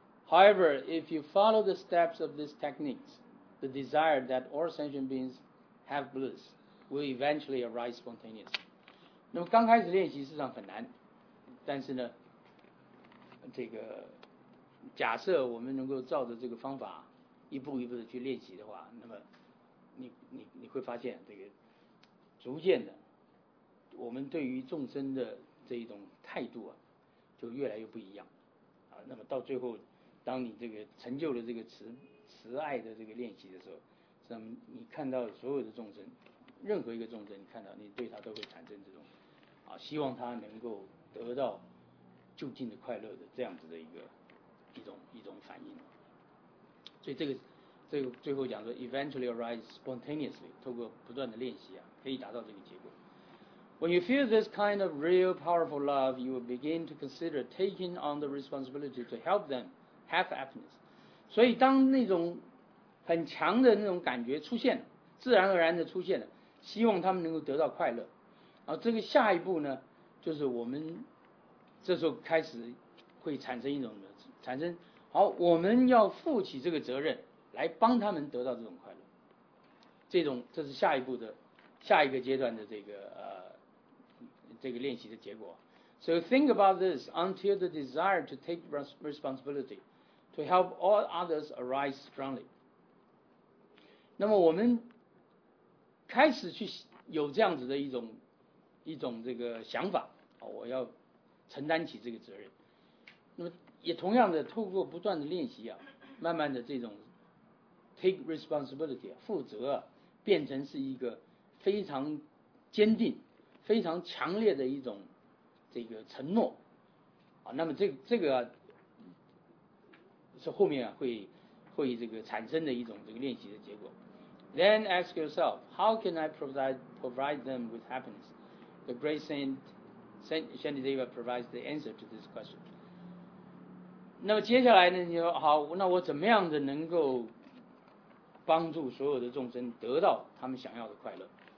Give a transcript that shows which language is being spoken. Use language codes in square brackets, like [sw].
[en] However, if you follow the steps of these techniques, the desire that all sentient beings have bliss will eventually arise spontaneously. [zh] 那么刚开始练习实际上很难，但是呢，这个假设我们能够照着这个方法一步一步的去练习的话，那么你会发现这个逐渐的，我们对于众生的这一种态度啊，就越来越不一样啊。那么到最后，当你这个成就了这个慈爱的这个练习的时候，那么你看到所有的众生，任何一个众生，你看到你对他都会产生这种啊，希望他能够得到究竟的快乐的这样子的一种反应。所以这个最后讲说 ， [en] eventually arise spontaneously， [zh] 透过不断的练习啊，可以达到这个结果。 [en] When you feel this kind of real powerful love, you will begin to consider taking on the responsibility to help them have happiness. [zh] 所以当那种很强的那种感觉出现了，自然而然的出现了，希望他们能够得到快乐。然后这个下一步呢，就是我们这时候开始会产生，好，我们要负起这个责任，来帮他们得到这种快乐。这是下一步的下一个阶段的这个这个练习的结果。 [en] So think about this until the desire to take responsibility to help all others arise strongly. [zh] 那么我们开始去有这样子的一种这个想法，我要承担起这个责任。那么也同样的，透过不断的练习啊，慢慢的这种 [en] take responsibility [zh] 负责啊，变成是一个非常坚定、非常强烈的一种这个承诺啊。那么这个、啊、是后面、啊、会这个产生的一种这个练习的结果。 [en] Then ask yourself, how can I provide them with happiness? The great Saint Shantideva provides the answer to this question. [zh] 那么接下来呢，你说好，那我怎么样的能够帮助所有的众生得到他们想要的快乐？